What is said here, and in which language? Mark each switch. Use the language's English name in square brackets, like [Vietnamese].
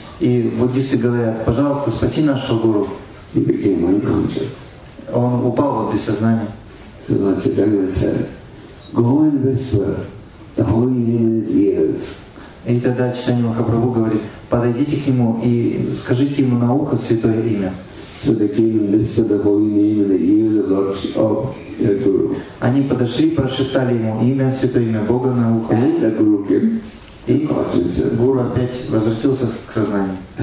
[Russian] И буддисты говорят, пожалуйста, спаси нашего гуру. [English] He became unconscious. [Russian] Он упал вот без сознания. [English] So Lord Chaitanya said, go and whisper, the holy name in his ears. [Russian] И тогда Чайтанья Махапрабху говорит, подойдите к нему и скажите ему на ухо святое имя. [English] So they came and whispered the holy name in the ears of Lord Chaitanya Guru. [Russian] Они подошли и прошептали ему имя, святое имя Бога на ухо. [English] And the Guru came. [Russian] И гуру опять возвратился к сознанию.